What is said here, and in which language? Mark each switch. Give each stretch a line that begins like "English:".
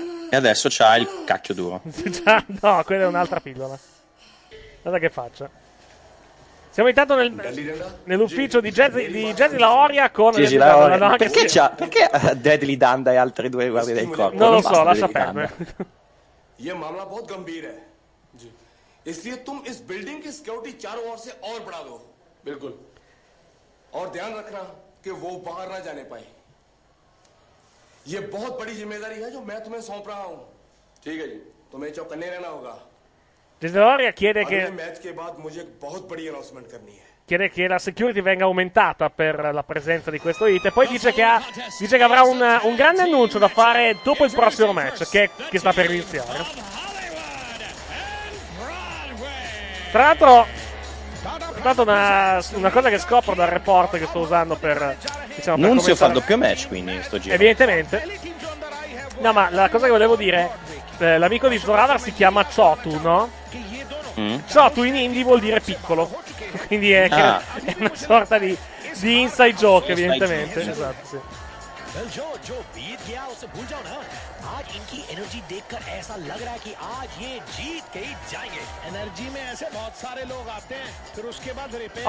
Italian: e adesso c'ha il cacchio duro. No, quella è un'altra pillola. Guarda che faccia. Siamo intanto nell'ufficio di Jazzy Lahoria con Gigi Lahoria. No, perché c'ha, perché Deadly Danda e altri due guardie del corpo? Non lo so, lascia perdere.
Hindi: ये मामला बहुत गंभीर है जी इसलिए तुम इस building की security चारों ओर से और बढ़ा दो बिल्कुल और ध्यान रखना कि वो बाहर ना जाने पाए ये बहुत बड़ी जिम्मेदारी है जो मैं तुम्हें सौंप रहा हूं ठीक है जी तुम्हें चौकन्ने रहना होगा जिदोरिया
Italian: chiede che
Hindi: match के बाद मुझे एक बहुत बड़ी अनाउंसमेंट करनी है
Italian: chiede che la security venga aumentata per la presenza di questo hit, e poi dice che avrà un grande annuncio da fare dopo il prossimo match che sta per iniziare. Tra l'altro una cosa che scopro dal report che sto usando per, diciamo, per Nunzio fa il doppio match, quindi sto giro evidentemente. No, ma la cosa che volevo dire, l'amico di Zoravar si chiama Chotu, no? Chotu in indie vuol dire piccolo. Quindi è una sorta di inside joke, evidentemente. Esatto, sì.
Hindi: Well जो जो बीत गया उसे भूल जाओ ना आज इनकी एनर्जी देखकर ऐसा लग रहा है कि आज ये जीत के ही जाएंगे एनर्जी में ऐसे बहुत सारे लोग आते हैं फिर उसके बाद